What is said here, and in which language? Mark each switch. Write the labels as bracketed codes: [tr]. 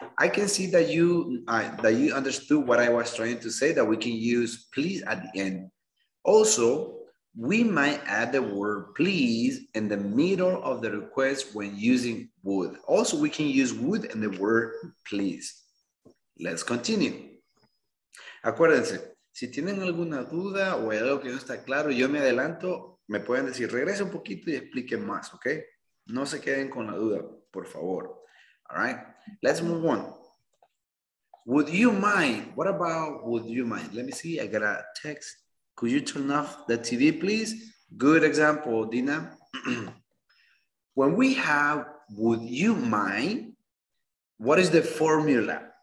[en] I can see that you understood what I was trying to say, that we can use please at the end. Also, we might add the word please in the middle of the request when using would. Also, we can use would and the word please. Let's continue. [es] Acuérdense, si tienen alguna duda o hay algo que no está claro, yo me adelanto, me pueden decir, regrese un poquito y explique más, okay? No se queden con la duda, por favor. [en] All right, let's move on. Would you mind, what about would you mind? Let me see, I got a text. Could you turn off the TV, please? Good example, Dina. When we have would you mind, what is the formula?